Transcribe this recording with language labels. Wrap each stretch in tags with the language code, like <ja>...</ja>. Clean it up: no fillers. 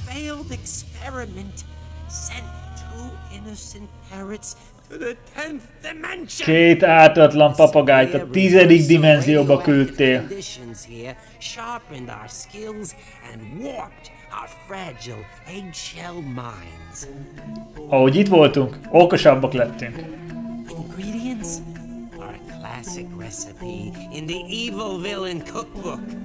<en>A failed experiment sent two innocent parrots to the 10th dimension.</en> <hu>Két ártatlan papagájt a 10. dimenzióba küldtél.</hu> <en>Sharpened our skills and warped our fragile eggshell minds.</en> <hu>Ahogy itt voltunk, okosabbak lettünk.</hu> <en>Ingredients are a classic recipe in the evil villain cookbook.</en>